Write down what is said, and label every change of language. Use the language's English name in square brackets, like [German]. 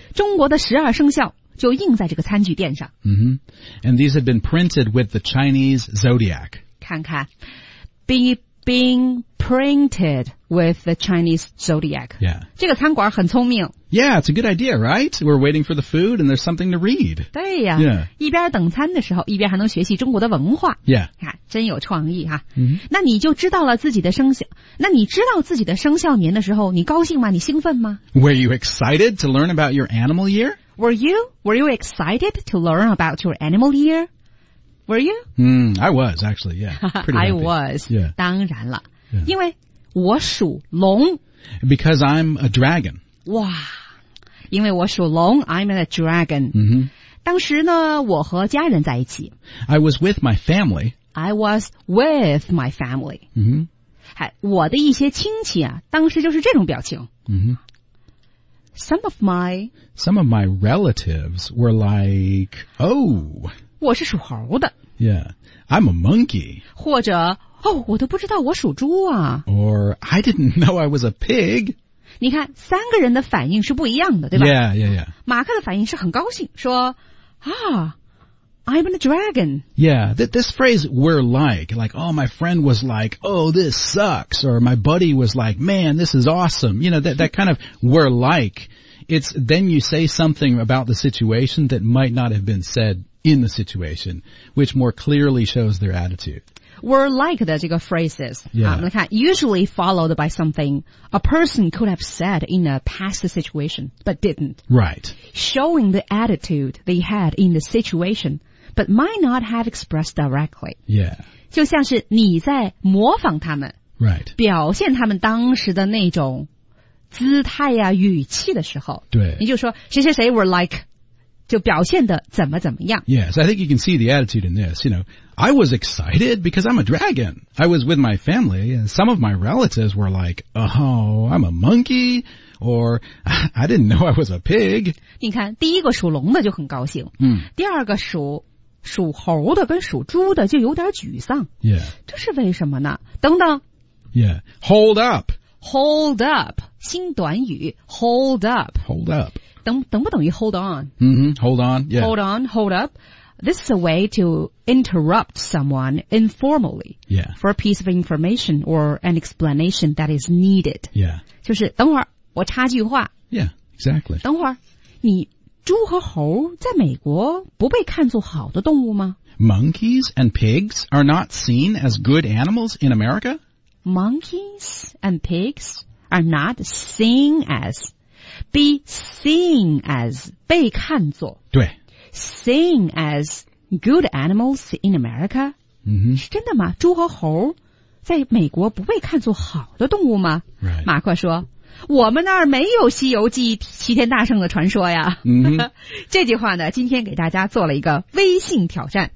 [Chinese] 中国的十二生肖就印在这个餐具垫上。 Mm-hmm. [English] And these have been printed with the Chinese zodiac. [Chinese] 看看。 [English] Being printed with the Chinese zodiac. Yeah. [Chinese] 这个餐馆很聪明。 [English] Yeah, it's a good idea, right? We're waiting for the food and there's something to read. [Chinese] 对呀。 [English] Yeah. [Chinese] 一边等餐的时候，一边还能学习中国的文化。 [English] Yeah. [Chinese] 看，真有创意哈。嗯、mm-hmm.。那你就知道了自己的生肖，那你知道自己的生肖年的时候，你高兴吗？你兴奋吗？ [English] Were you excited to learn about your animal year? Were you excited to learn about your animal year? Were you? I was, actually, yeah. I was. Yeah. [Chinese] 当然了。 [English] Yeah. [Chinese] 因为我属龙。 [English] Because I'm a dragon. [Chinese] 哇，因为我属龙， [English] I'm a dragon. Mm-hmm. [Chinese] 当时呢，我和家人在一起。 [English] I was with my family. I was with my family. Mm-hmm. [Chinese] 我的一些亲戚啊，当时就是这种表情。 [English] Mm-hmm. Some of my relatives were like, oh, [Chinese] 我是属猴的。 [English] Yeah, I'm a monkey. [Chinese] 或者哦，我都不知道我属猪啊。 [English] Or I didn't know I was a pig. [Chinese] 你看，三个人的反应是不一样的，对吧 [English] ？Yeah. [Chinese] 马克的反应是很高兴，说啊。 [English] I'm a dragon. Yeah, this phrase, we're like, oh, my friend was like, oh, this sucks, or my buddy was like, man, this is awesome. You know, that kind of we're like, it's then you say something about the situation that might not have been said in the situation, which more clearly shows their attitude. We're like [Chinese] 的这个 [English] phrases,、 yeah. [Chinese] 看 [English] usually followed by something a person could have said in a past situation, but didn't. Right. Showing the attitude they had in the situation. But might not have expressed directly. Yeah. [Chinese] 就像是你在模仿他们。 [English] Right. [Chinese] 表现他们当时的那种姿态啊语气的时候。对。你就说谁谁谁 [English] were like, [Chinese] 就表现得怎么怎么样。 [English] Yes, so I think you can see the attitude in this, you know. I was excited because I'm a dragon. I was with my family and some of my relatives were like, oh, I'm a monkey. Or, I didn't know I was a pig. [Chinese] 你看第一个属龙的就很高兴、嗯、第二个属猴的跟属猪的就有点沮丧、 [English] yeah. [Chinese] 这是为什么呢等等 [English] Yeah, hold up. Hold up, [Chinese] 新短语 [English] hold up. Hold up. [Chinese] 等不等于 [English] hold on?、 Mm-hmm, hold on,、yeah. Hold on, hold up. This is a way to interrupt someone informally、 yeah. for a piece of information or an explanation that is needed. Yeah. [Chinese] 就是等会儿我插句话 [English] Yeah, exactly. [Chinese] 等会儿你猪和猴在美国不被看作好的动物吗 [English] Monkeys and pigs are not seen as good animals in America? Monkeys and pigs are not seen as be seen as [Chinese] 被看作对 [English] seen as good animals in America、 mm-hmm. [Chinese] 是真的吗猪和猴在美国不被看作好的动物吗、 [English] right. [Chinese] 马克说我们那儿没有西游记齐天大圣的传说呀、 mm-hmm. 这句话呢今天给大家做了一个微信挑战